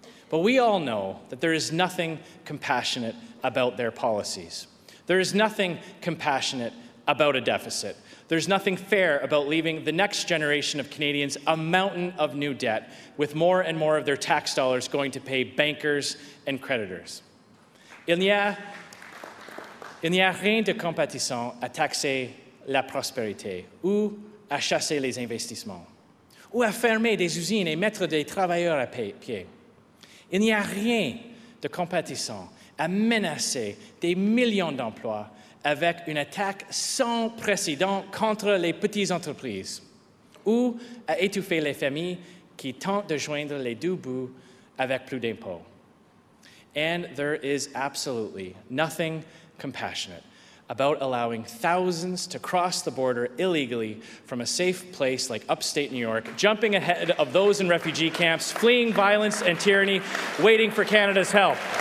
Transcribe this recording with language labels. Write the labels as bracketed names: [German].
[English] But we all know that there is nothing compassionate about their policies. There is nothing compassionate about a deficit. There's nothing fair about leaving the next generation of Canadians a mountain of new debt, with more and more of their tax dollars going to pay bankers and creditors. [French] Il n'y a rien de compatissant à taxer la prospérité, ou à chasser les investissements, ou à fermer des usines et mettre des travailleurs à pied. Il n'y a rien de compatissant à menacer des millions d'emplois avec une attaque sans précédent contre les petites entreprises, ou à étouffer les familles qui tentent de joindre les deux bouts avec plus d'impôts. [English] And there is absolutely nothing compassionate about allowing thousands to cross the border illegally from a safe place like upstate New York, jumping ahead of those in refugee camps, fleeing violence and tyranny, waiting for Canada's help.